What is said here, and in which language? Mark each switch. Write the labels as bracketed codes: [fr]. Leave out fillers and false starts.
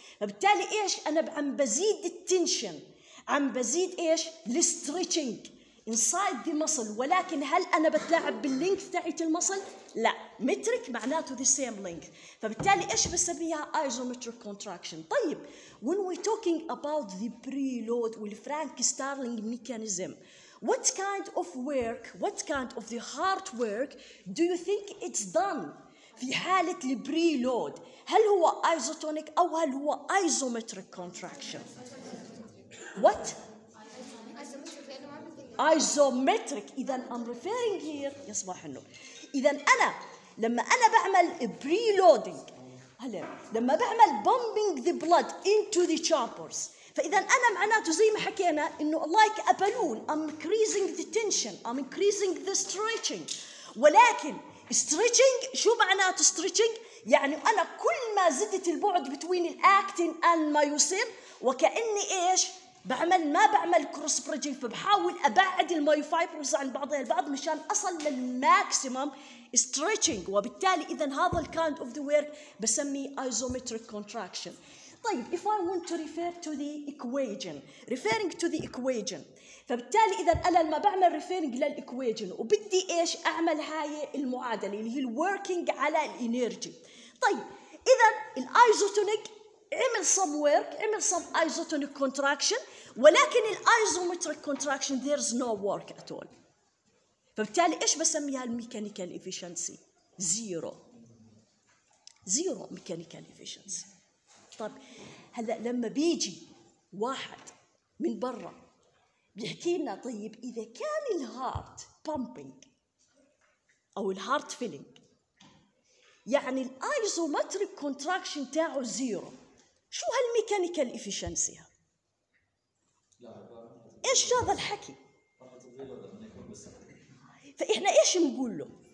[ar] فبالتالي إيش أنا عم بزيد التنشن عم بزيد إيش [en] the stretching inside the muscle [ar] ولكن هل أنا بتلاعب باللينك تاعت المصل؟ لا متريك معناته [en] the same length. [ar] فبالتالي إيش بسميها isometric contraction. طيب [en] when we talking about the preload [ar] والفرانك ستارلينج ميكانيزم [en] what kind of work what kind of the heart work do you think it's done [ar] في حالة البريلود هل هو [en] isotonic [ar] أو هل هو [en] isometric contraction what isometric. [ar] إذن [en] I'm referring here [ar] يا صباح النور إذن أنا لما أنا بعمل preloading هلا لما بعمل [en] pumping the blood into the chambers [ar] فإذن أنا معناته زي ما حكينا إنه [en] like a balloon I'm increasing the tension I'm increasing the stretching [ar] ولكن stretching شو معناته stretching يعني أنا كل ما زدت البعد [en] between the acting [ar] and ما يصير وكأني إيش بعمل ما بعمل كروس بريدجينج فبحاول أبعد الماي فايبرز عن بعضها البعض مشان أصل للماكسيمم ستريتشنج وبالتالي إذا هذا [en] الكاند of the work [ar] بسمي إيزومتريك كونتراكشن. طيب [en] if I want to refer to the equation [ar] referring to the equation فبالتالي إذا أنا لما بعمل referring للإكويجن وبدي إيش أعمل هاي المعادلة اللي هي الوركينج على الإنيرجي. طيب إذا الإيزوتونيك عمل some work عمل some isotonic contraction ولكن الإيزومتريك contraction [en] there's no work at all [ar] فبالتالي إيش بسميها الميكانيكال efficiency [en] zero mechanical efficiency. [ar] طب هلا لما بيجي واحد من برا بيحكي لنا طيب اذا كان الهارت بامبينج او الهارت فيلينج يعني الايزومتريك كونتراكشن تاعه زيرو شو هالميكانيكال افشنسي ها ايش هذا الحكي؟ فاحنا ايش نقول له